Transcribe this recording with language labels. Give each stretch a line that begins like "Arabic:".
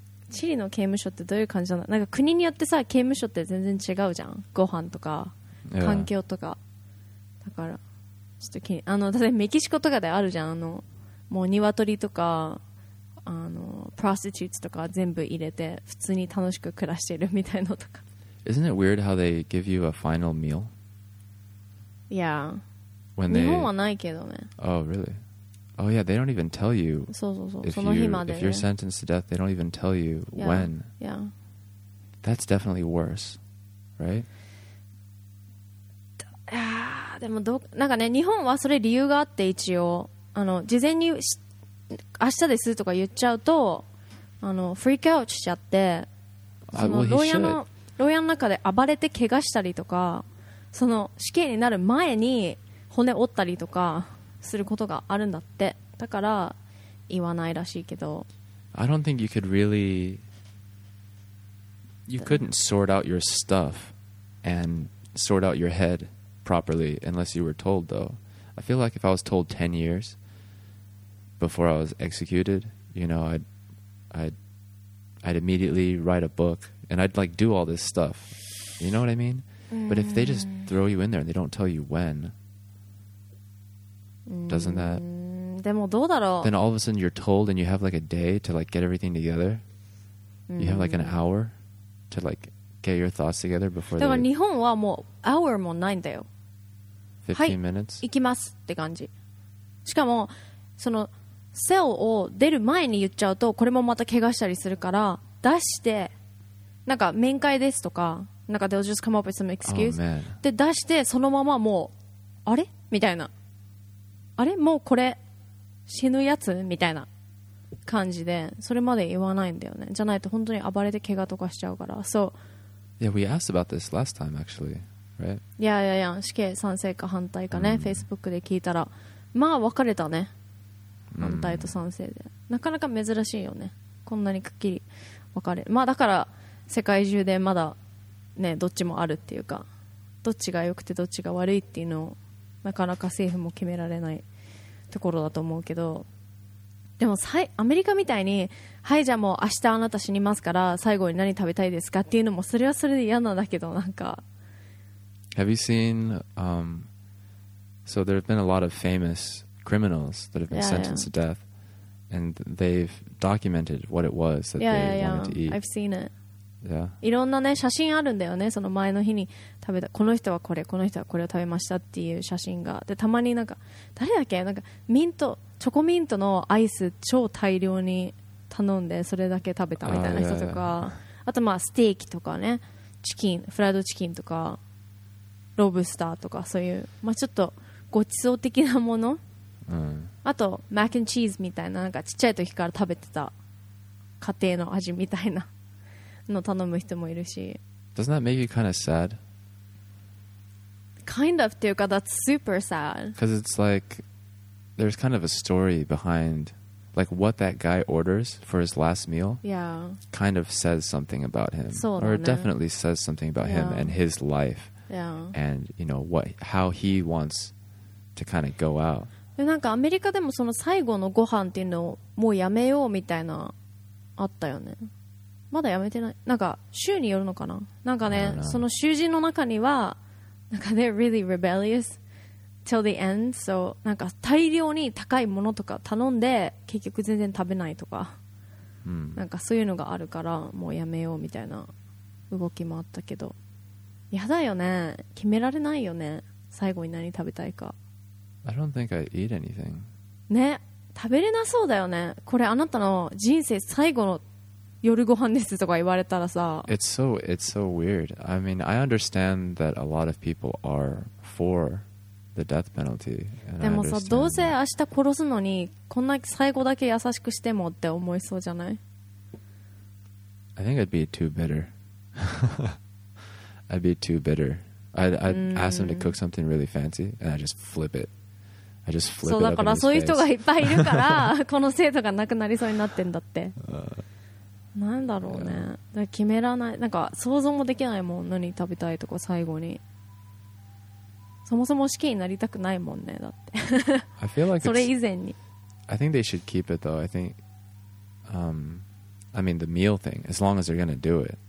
Japanese: チリの刑務所ってどういう感じなの？なんか国によってさ、刑務所って全然違うじゃん。ご飯とか環境とか、だからちょっと気に、あの例えばメキシコとかであるじゃん、あのもう鶏とかあのプロスティチューツとか全部入れて普通に楽しく暮らしてるみたいのとか。
English: Isn't it weird how they give you a final meal? Yeah. When they...
Japanese: 日本はないけどね。
English: Oh really? Oh yeah, they don't even tell you.
Japanese: そうそうそう。その日まで。
English: If you're sentenced to death, they don't even tell you when. Yeah. That's definitely worse, right?
Japanese: でもなんかね、日本はそれ理由があって一応、あの事前に明日ですとか言っちゃうと、あのフリークアウトしちゃって、その牢屋の中で暴れて怪我したりとか、その死刑になる前に骨折ったりとか。することがあるんだって。だから言わないらしいけど。
English: I don't think you could really, you couldn't sort out your stuff and sort out your head properly unless you were told though. I feel like if I was told 10 years before I was executed, you know, I'd immediately write a book and I'd like do all this stuff. You know what I mean? But if they just throw you in there and they don't tell you when,Doesn't that?
Japanese: でもどうだろう?
English: Then all of a sudden you're told and you have like a day to like get everything together. You have like an hour to like get your thoughts together before
Japanese: でも日本はもう hour もないんだよ。
English: 15 minutes?
Japanese: はい、行きますって感じ。しかもそのセルを出る前に言っちゃうとこれもまた怪我したりするから出してなんか面会ですとかなんか
English: they'll just come up with some excuse、 oh, man.
Japanese: で出してそのままもうあれ?みたいな。あれもうこれ死ぬやつみたいな感じでそれまで言わないんだよねじゃないと本当に暴れて怪我とかしちゃうから So
English: Yeah, we asked about this last time actually, right? Yeah, yeah, yeah
Japanese: 死刑賛成か反対かね、mm. Facebook で聞いたらまあ別れたね反対と賛成で、mm. なかなか珍しいよねこんなにくっきり別れまあだから世界中でまだねどっちもあるっていうかどっちが良くてどっちが悪いっていうのをなかなか政府も決められないところだと思うけどでもアメリカみたいにはいじゃあもう明日あなた死にますから最後に何食べたいですかっていうのもそれはそれで嫌なんだけどなんか
English: Have you seen so there have been a lot of famous criminals that have been sentenced to death and they've documented what it was that they wanted to eat I've seen it Yeah.
Japanese: いろんなね写真あるんだよねその前の日に食べたこの人はこれこの人はこれを食べましたっていう写真がでたまになんか誰だっけなんかミントチョコミントのアイス超大量に頼んでそれだけ食べたみたいな人とか、あとまあステーキとかね、チキン、フライドチキンとかロブスターとか、そういうまあちょっとごちそう的なもの、うん、あとマックンチーズみたいな、なんかちっちゃい時から食べてた家庭の味みたいなの頼む人もいるし。
English: Doesn't that make you kind of sad? Kind of
Japanese: っていうか
English: that's super sad. Because it's like there's kind of a story behind like what that guy orders for his last meal. Yeah. Kind of says something about him.
Japanese: そうだね。
English: Or definitely says something about him and his life. Yeah. And you know what, how he wants to kind of go out.
Japanese: なんかアメリカでもその最後のご飯っていうのをもうやめようみたいなあったよね。まだやめてない。なんか州によるのかな。なんかね、その囚人の中にはなんか
English: they're really rebellious till the end.
Japanese: So なんか大量に高いものとか頼んで結局全然食べないとか、うん、なんかそういうのがあるからもうやめようみたいな動きもあったけど、やだよね。決められないよね。最後に何食べたいか。
English: I don't think I eat anything.
Japanese: ね、食べれなそうだよね。これあなたの人生最後の夜ご飯ですとか言われたらさ。
English: It's so weird. I mean, I understand that a lot of people are for the death penalty.
Japanese: でもさ、どうせ明日殺すのにこんな最後だけ優しくしてもって思いそうじゃない？
English: I think I'd be too bitter. I'd be too bitter. I'd ask them to cook something really fancy and I just flip it. I just flip
Japanese: そうだから、そういう人がいっぱいいるからこの生徒がなくなりそうになってんだって。なんだろうね、だから決めらない、なんか想像もできないもん、何食べたいとか。最後にそもそも死刑になりたくないもんね、だって。
English: I feel like
Japanese: それ以前に
English: I think they should keep it though. I think I mean the meal thing, as long as they're gonna do it,